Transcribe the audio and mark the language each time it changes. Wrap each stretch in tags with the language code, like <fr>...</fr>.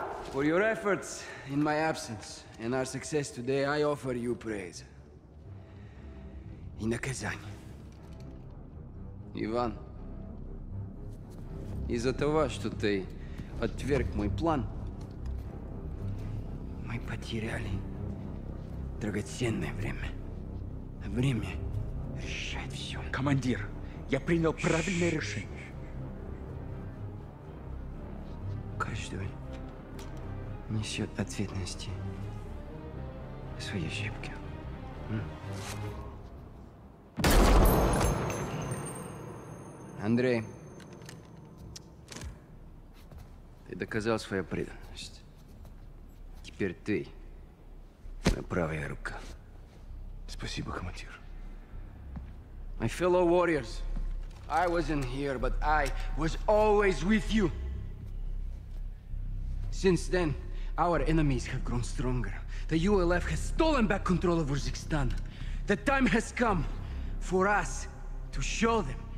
<en>For your efforts in my absence and our success today, I offer you praise.</en> <ru>И наказание. Иван, из-за того, что ты отверг мой план, мы потеряли драгоценное время. Время решает все. Командир, я принял правильное решение. Каждый несет ответственности в своей щепке. Андрей, ты доказал свою преданность. Теперь ты моя правая рука. Спасибо, командир.</ru> <en>My fellow warriors, I wasn't here, but I was always with you. Since then, our enemies have grown stronger. The ULF has stolen back control of Uzbekistan. The time has come for us to show them</en>